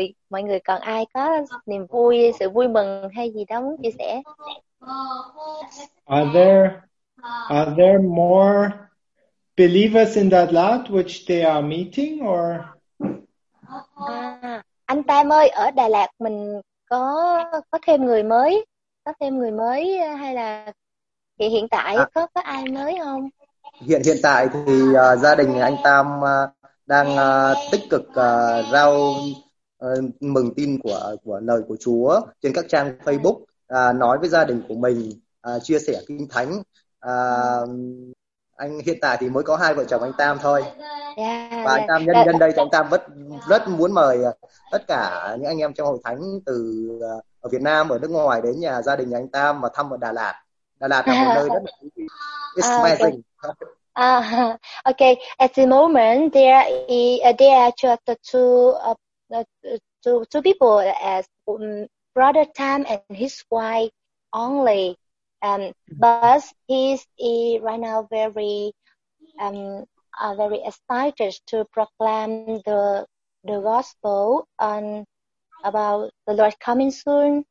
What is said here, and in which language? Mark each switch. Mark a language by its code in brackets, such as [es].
[vi] Mọi người còn ai có niềm vui, sự vui mừng hay gì đó muốn chia sẻ? [en] Are there more believers in that lot which they are meeting or? [vi] Anh Tam ơi, ở Đà Lạt mình có thêm người mới hay là hiện tại có ai mới không? Hiện tại thì gia đình anh Tam đang tích cực rao mừng tin của lời của Chúa trên các trang Facebook, nói với gia đình của mình, chia sẻ kinh thánh. Anh hiện tại thì mới có hai vợ chồng anh Tam thôi. Và anh Tam nhân đây thì anh Tam rất muốn mời tất cả những anh em trong hội thánh từ ở Việt Nam, ở nước ngoài đến nhà gia đình anh Tam và thăm ở Đà Lạt. Đà Lạt là một nơi rất là [en] amazing. Okay. At the moment, there are just two people as Brother Tam and his wife only. But he's right now very excited to proclaim the gospel about the Lord coming soon.